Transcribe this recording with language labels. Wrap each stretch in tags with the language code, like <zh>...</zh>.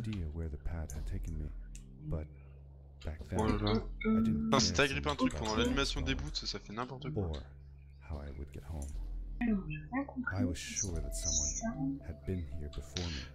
<en>I had no idea where the pad had taken me, but back then, oh là là. I didn't know.</en> <fr>Si t'as grippé un truc pendant l'animation des boots, ça fait n'importe quoi.</fr> <en>Or how I would get home. I was sure that someone had been here before me.</en>